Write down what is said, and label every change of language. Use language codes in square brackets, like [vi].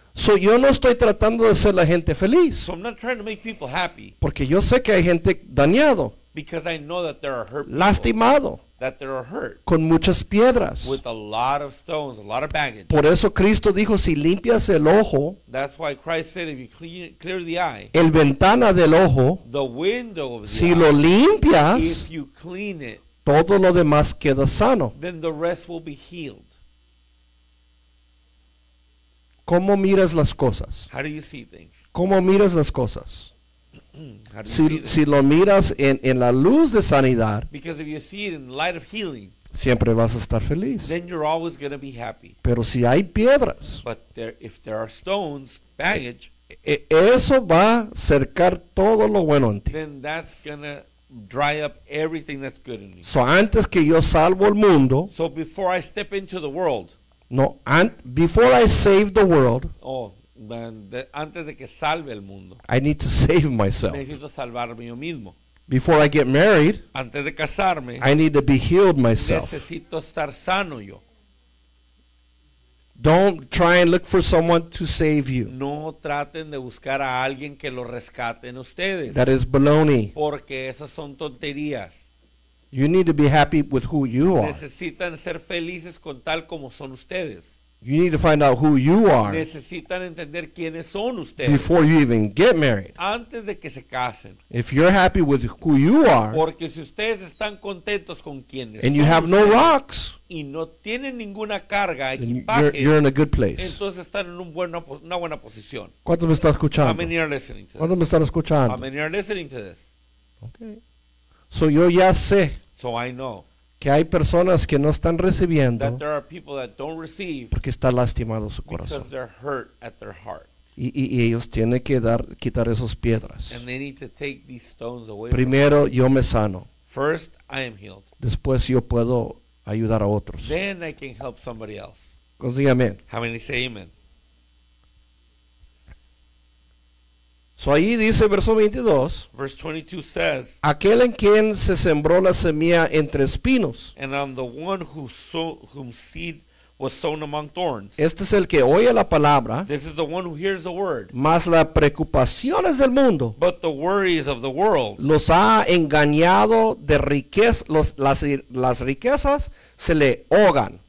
[es] So yo no estoy tratando de hacer la gente feliz. [en] So I'm not trying to make people happy. [es] Porque yo sé que hay gente dañado. [en] Because I know that there are hurt people. [es] Lastimado. [en] That there are hurt. [es] Con muchas piedras. [en] With a lot of stones, a lot of baggage. [es] Por eso Cristo dijo, si limpias el ojo. [en] That's why Christ said, if you clear the eye. [es] El ventana del ojo. [en] The window of the [es] si [en] eye. [es] Si lo limpias. [en] If you clean it. [es] Todo lo demás queda sano. [en] Then the rest will be healed. [es] ¿Cómo miras las cosas? [en] How do you see things? [es] ¿Cómo miras las cosas? [en] How do you [es] si, [en] see [es] si lo miras en la luz de sanidad, [en] because if you see it in the light of healing, [es] siempre vas a estar feliz. [en] Then you're always going to be happy. [es] Pero si hay piedras, [en] but there, if there are stones, baggage, [es] eso va a cercar todo lo bueno en ti. [en] Then that's going to dry up everything that's good in you. [es] So antes que yo salvo el mundo, [en] so before I step into the world, no, before I save the world, oh, man, [es] antes de que salve el mundo, [en] I need to save myself. [es] Necesito salvarme yo mismo. [en] Before I get married, [es] antes de casarme, [en] I need to be healed myself. [es] Necesito estar sano yo. [en] Don't try and look for someone to save you. [es] No traten de buscar a alguien que lo rescaten ustedes. [en] That is baloney. [es] Porque esas son tonterías. [en] You need to be happy with who you are. [es] Necesitan ser felices con tal como son ustedes. [en] You need to find out who you are. [es] Necesitan entender quiénes son ustedes. [en] Before you even get married. [es] Antes de que se casen. [en] If you're happy with who you are. [es] Porque si ustedes están contentos con quienes son ustedes. [en] And you have no rocks. [es] Y no tienen ninguna carga, equipaje. [en] You're in a good place. [es] Entonces están en una buena posición. ¿Cuántos me están escuchando? [en] How many are listening to this? [es] ¿Cuántos me están escuchando? [en] How many are listening to this? [es] Okay. So yo ya sé [en] so I know [es] que hay personas que no están recibiendo [en] that there are people that don't receive [es] porque está lastimado su corazón. [en] Because they're hurt at their heart. [es] Y ellos tienen que quitar esas piedras. [en] And they need to take these stones away. [es] Primero yo me sano. [en] First, I am healed. [es] Después yo puedo ayudar a otros. [en] Then I can help somebody else. [es] Consígame. [en] How many say amen? [es] So ahí dice verso 22. [en] Verse 22 says, [es] aquel en quien se sembró la semilla entre espinos. [en] And on the one whom seed was sown among thorns. [es] Este es el que oye la palabra. [en] This is the one who hears the word. [es] Mas las preocupaciones del mundo. [en] But the worries of the world. [es] Los ha engañado de riqueza. Las riquezas se le ahogan.